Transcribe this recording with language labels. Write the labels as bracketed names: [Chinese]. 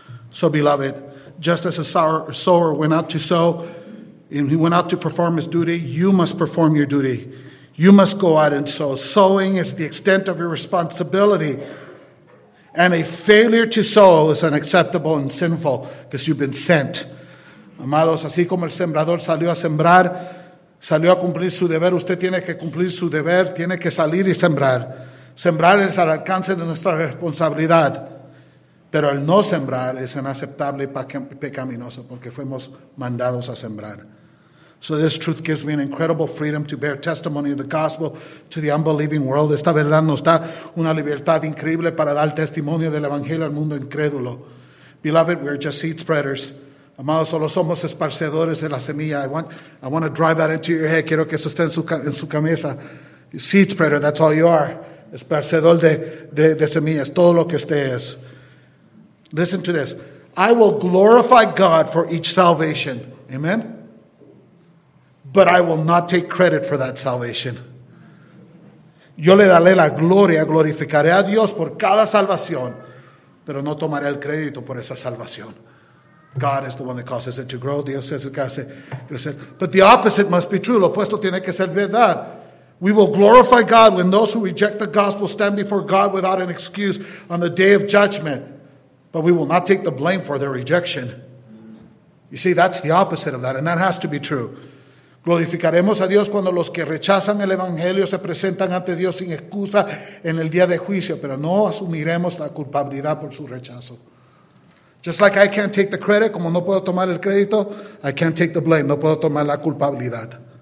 [English] So, beloved, just as a sower went out to sow, and he went out to perform his duty, you must perform your duty. You must go out and sow. Sowing is the extent of your responsibility. And a failure to sow is unacceptable and sinful because you've been sent. [Spanish] Amados, así como el sembrador salió a sembrar, salió a cumplir su deber, usted tiene que cumplir su deber, tiene que salir y sembrar. Sembrar es al alcance de nuestra responsabilidad. Pero el no sembrar es inaceptable y pecaminoso porque fuimos mandados a sembrar. [English] So this truth gives me an incredible freedom to bear testimony of the gospel to the unbelieving world. [Spanish] Esta verdad nos da una libertad increíble para dar testimonio del evangelio al mundo incrédulo. [English] Beloved, we are just seed spreaders. [Spanish] Amados, solo somos esparcedores de la semilla. [English] I want to drive that into your head. [Spanish] Quiero que eso esté en su cabeza. [English] Seed spreader, that's all you are. [Spanish] Esparcedor de semillas, todo lo que usted es. [English] Listen to this. I will glorify God for each salvation. Amen? But I will not take credit for that salvation. [Spanish] Yo le daré la gloria, glorificaré a Dios por cada salvación, pero no tomaré el crédito por esa salvación. [English] God is the one that causes it to grow. [Spanish] Dios es el que hace crecer. [English] But the opposite must be true. [Spanish] Lo opuesto tiene que ser verdad. [English] We will glorify God when those who reject the gospel stand before God without an excuse on the day of judgment. But we will not take the blame for their rejection. You see, that's the opposite of that, and that has to be true. [Spanish] Glorificaremos a Dios cuando los que rechazan el evangelio se presentan ante Dios sin excusa en el día de juicio, pero no asumiremos la culpabilidad por su rechazo. [English] Just like I can't take the credit, [Spanish] como no puedo tomar el crédito, [English] I can't take the blame, [Spanish] no puedo tomar la culpabilidad.